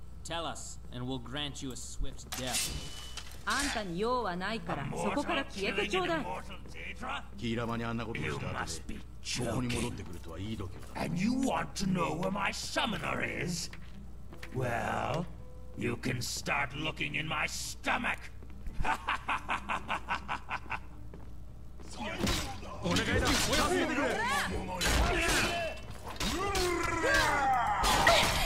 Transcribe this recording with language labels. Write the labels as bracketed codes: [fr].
[en] Tell us, and we'll grant you a swift death. [ja] あんたに用はないから、そこから消えてちょうだい。ギラマにあんなことしたら、ここに戻ってくるとはいい度胸だ。 [en] And you want to know where my summoner is? Well, you can start looking in my stomach. [ja] お願いだ、お休みくれ。